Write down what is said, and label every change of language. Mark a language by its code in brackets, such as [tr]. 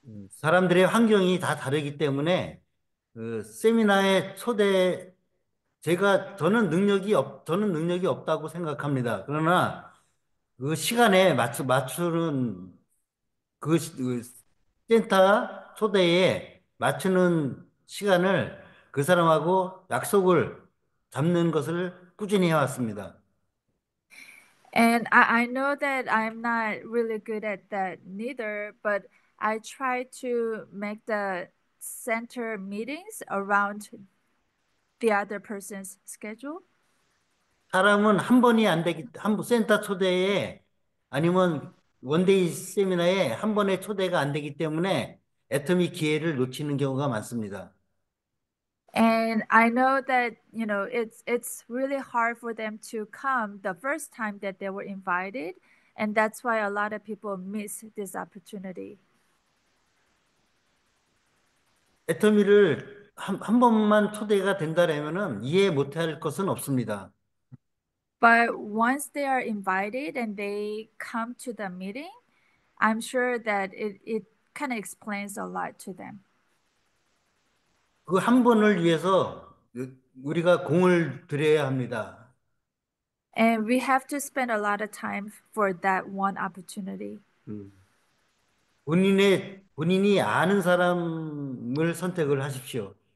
[ko] 사람들의 환경이 다 다르기 때문에 세미나에 저는 능력이 없다고 생각합니다. 그러나 그 시간에 맞추는 그 센터 초대에 맞추는 시간을 그 사람하고 약속을 잡는 것을 꾸준히 해왔습니다. [en] And I know that I'm not really good at that neither, but I try to make the center meetings around the other person's schedule. [ko] 사람은 한 번이 안 되기, 한 번, 센터 초대에 아니면 원데이 세미나에 한 번의 초대가 안 되기 때문에 애터미 기회를 놓치는 경우가 많습니다. [en] And I know that, you know, it's really hard for them to come the first time that they were invited. And that's why a lot of people miss this opportunity. [ko] 애터미를 한 번만 초대가 된다라면은 이해 못할 것은 없습니다. [en] But once they are invited and they come to the meeting, I'm sure that it kind of explains a lot to them. [ko] 그한 번을 위해서 우리가 공을 들여야 합니다. [en] And we have to spend a lot of time for that one opportunity. [ko] 본인이 아는 사람을 선택을 하십시오.